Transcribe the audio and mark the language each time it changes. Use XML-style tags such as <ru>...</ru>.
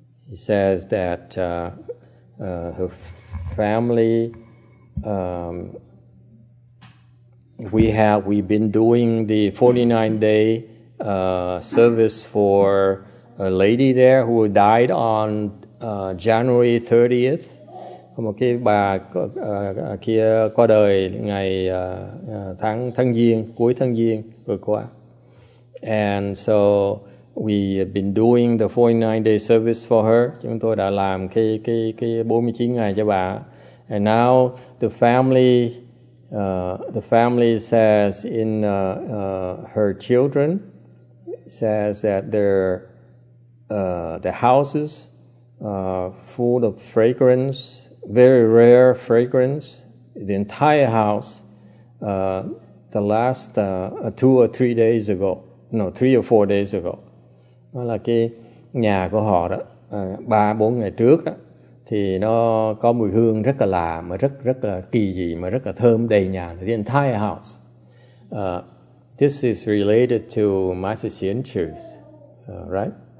<en>He says that her family, we've been doing the 49-day service for a lady there who died on January 30th.</en> <vi>Một cái bà kia qua đời ngày tháng giêng, cuối tháng giêng vừa qua.</vi> <en>And so we have been doing the 49-day service for her.</en> <vi>Chúng tôi đã làm cái 49 ngày cho bà.</vi> <en>And now the family says in her children says that their houses full of fragrance. Very rare fragrance. The entire house, the last two or three days ago, no, three or four days ago.</en> <vi>Đó là cái nhà của họ đó, ba bốn ngày trước đó, thì nó có mùi hương rất là lạ mà rất là kỳ dị mà rất là thơm đầy nhà.</vi> <en>The entire house. This is related to Master Xian Chu's, right?</en>